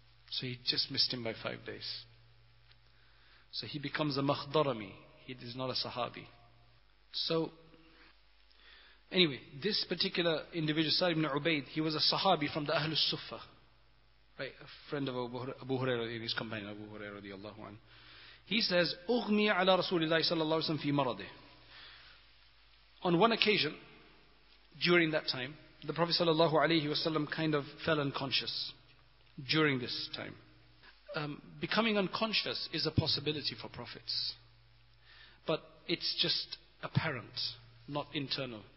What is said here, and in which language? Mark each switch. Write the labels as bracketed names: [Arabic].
[English] So he just missed him by 5 days. So he becomes a makhdarami. He is not a sahabi. So, anyway, this particular individual, Salim ibn Ubaid, he was a sahabi from the Ahlus Suffa. Right, a friend of Abu Hurairah, his companion Abu Hurairah radiallahu anhu. He says, [Arabic] أُغْمِي عَلَى رَسُولِ اللَّهِ صَلَى اللَّهُ وَسَلَّمْ فِي مَرَضِهِ. [English] On one occasion, during that time, the Prophet sallallahu alayhi wasallam kind of fell unconscious during this time. Becoming unconscious is a possibility for prophets. But it's just apparent, not internal.